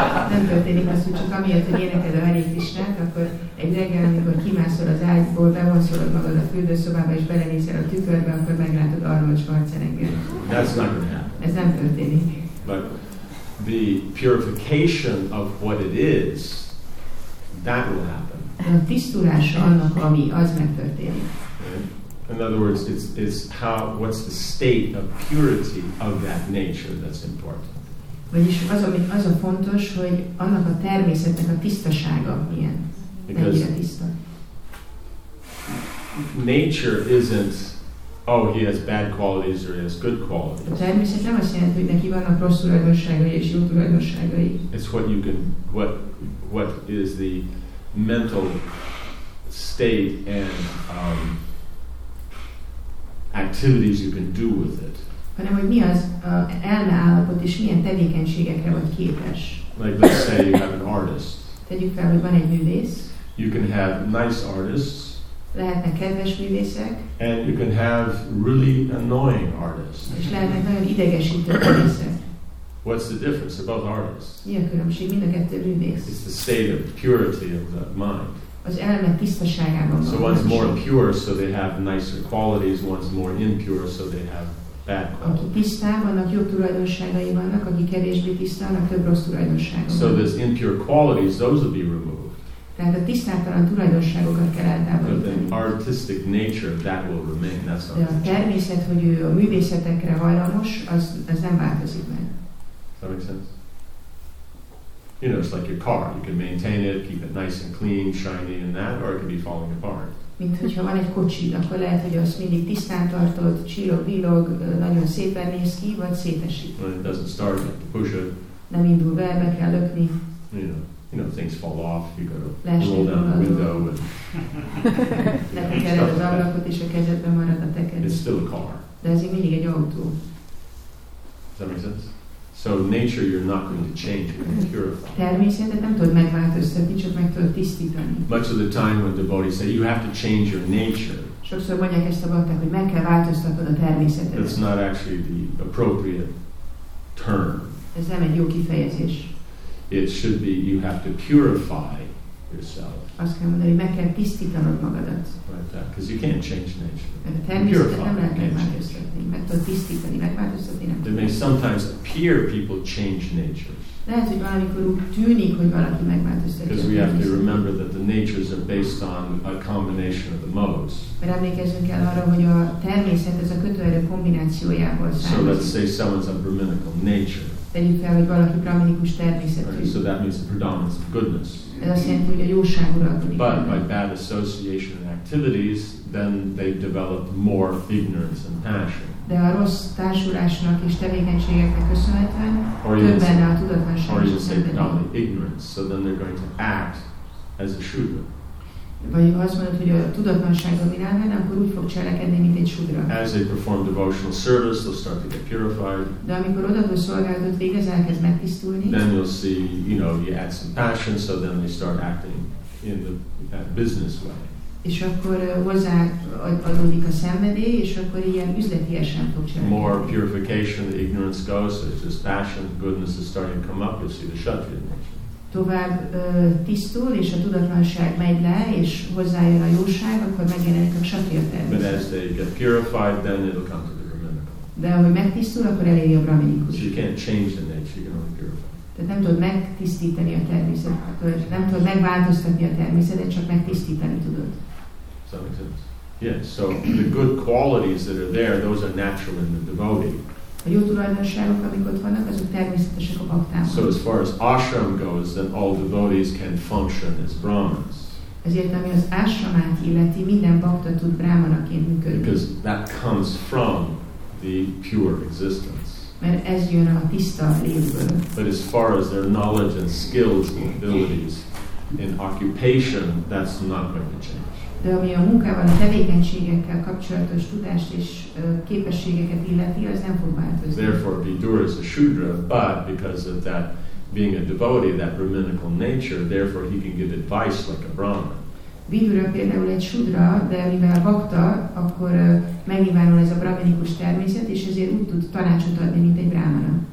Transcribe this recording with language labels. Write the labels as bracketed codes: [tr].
[hu] Nem történik az, hogy csak amiatt, hogy énekel a Hare Krishnát, akkor egy reggel, amikor kimászol az ágyból, bevonszolod magad a fürdőszobába, és belenézel a tükörbe, akkor meglátod Arnold Schwarzenegger. [en] That's not going to happen. [hu] Ez nem történik. [en] But the purification of what it is, that will happen. [hu] A tisztulása annak, ami az megtörténik. [en] In other words, it's how, what's the state of purity of that nature that's important. [hu] Vagyis az, ami az a fontos, hogy annak a természetnek a tisztasága milyen, mennyire tiszta. [en] Nature isn't, oh, he has bad qualities or he has good qualities. [hu] A természet nem azt jelenti, hogy neki vannak rossz tulajdonságai és jó tulajdonságai. [en] It's what you can, what is the mental state and activities you can do with it. [hu] Hanem, hogy mi az elme állapot és milyen tevékenységekre vagy képes. [en] Like, let's say you have an artist. [hu] Tegyük fel, hogy van egy művész. [en] You can have nice artists. [hu] Lehetnek kedves művészek. [en] And you can have really annoying artists. [hu] És lehetnek nagyon idegesítő művészek. [en] What's the difference about artists? [hu] Mi a különbség mind a kettő művész? [en] It's the state of purity of the mind. [hu] Az elme tisztaságában van. [en] So one's more pure, so they have nicer qualities. One's more impure, so they have bad qualities. [hu] Aki tisztább, annak jobb tulajdonságai vannak. Aki kevésbé tisztább, annak több rossz tulajdonságai vannak. [en] So those impure qualities, those will be removed. [hu] Tehát a tisztátalan tulajdonságokat kell eltávolítani. [en] The artistic nature, that will remain. That's not [hu] de a természet, hogy ő a művészetekre hajlamos, az nem változik meg. [en] Does that make sense? You know, it's like your car. You can maintain it, keep it nice and clean, shiny and that, or it can be falling apart. [hu] Mint hogyha van egy kocsid, akkor lehet, hogy azt mindig tisztán tartod, csillog, villog, nagyon szépen néz ki, vagy szétesik. [en] When it doesn't start, you have to push it. [hu] Nem indul be, be kell lökni. [en] You know, things fall off, you go to roll down the window. [hu] Letekered az ablakot, és a kezedben marad a tekerés. [en] It's still a car. [hu] De ez mindig egy autó. [en] Does that make sense? So nature, you're not going to change, you're going to purify. [hu] Természetet nem tudod megváltoztatni, csak meg tudod tisztítani. [en] Much of the time when devotees say, you have to change your nature. [hu] Sokszor mondják ezt a bakták, hogy meg kell változtatod a természetet. [en] That's not actually the appropriate term. [hu] Ez nem egy jó kifejezés. [en] It should be, you have to purify yourself. [hu] Azt kell mondani, hogy meg kell tisztítanod magadat. [en] Right, that, because you can't change nature. [hu] Mert a természetet nem lehet megváltoztatni. Meg tudod tisztítani, megváltoztatni nem. [en] It may sometimes appear people change nature. [hu] Lehet, hogy valamikor úgy tűnik, hogy valaki megváltoztatja. [en] Because we have to remember that the natures are based on a combination of the modes. [hu] Mert emlékezzünk el arra, hogy a természet ez a kötőerő kombinációjából származik. [en] So let's say someone's a brahminical nature. [hu] Tegyük fel, hogy valaki brahminikus természetű. [en] Right, so that means the predominance of goodness. [hu] Ez azt jelenti, hogy a jóság uralkodik. [en] But by bad association and activities, then they develop more ignorance and passion. [hu] De a rossz társulásnak és tevékenységeknek köszönhetően többen a tudatlanság. [en] Or you say predominant ignorance, so then they're going to act as a shudra. [hu] Vagy ha azt mondod, hogy a tudatlanság dominál benne, akkor úgy fog cselekedni, mint egy sudra. [en] As they perform devotional service, they'll start to get purified. [hu] De amikor odaadó szolgálatot végez, elkezd megtisztulni. [en] Then you'll see, you know, you add some passion, so then they start acting in the business way. [hu] És akkor hozzáadódik a szenvedély, és akkor ilyen üzletiesen fog cselekedni. [en] More purification, the ignorance goes, so it's just passion, goodness is starting to come up, you'll see the kshatriya nature. [hu] Tovább tisztul, és a tudatlanság megy le, és hozzájön a jóság, akkor megjelenik a kshatriya természet. [en] But as they get purified, then it'll come to the brahminical. [hu] De ahogy megtisztul, akkor eléri a brahminikus. [en] So you can't change the nature, you can only purify. [hu] Tehát nem tudod megtisztítani a természet, akkor nem tudod megváltoztatni a természetet, csak megtisztítani tudod. [en] So makes sense. Yeah, so the good qualities that are there, those are natural in the devotee. [hu] A jó tulajdonságok, amik ott vannak, azok természetesek a baktában. [en] So as far as ashram goes, then all devotees can function as brahmins. [hu] Ezért, ami az ashramát illeti, minden bakta tud brahmanaként működni. [en] Because that comes from the pure existence. [hu] Mert ez jön a tiszta lévből. [en] But as far as their knowledge and skills and abilities in occupation, that's not going to change. [hu] De ami a munkával, a tevékenységekkel kapcsolatos tudást és képességeket illeti, az nem fog változni. [en] Therefore, Vidura is a Shudra, but because of that being a devotee, that brahminical nature, therefore he can give advice like a Brahmana. [hu] Vidura például egy Shudra, de mivel bhakta, akkor megnyilvánul ez a brahminikus természet, és ezért úgy tud tanácsot adni, mint egy Brahmana.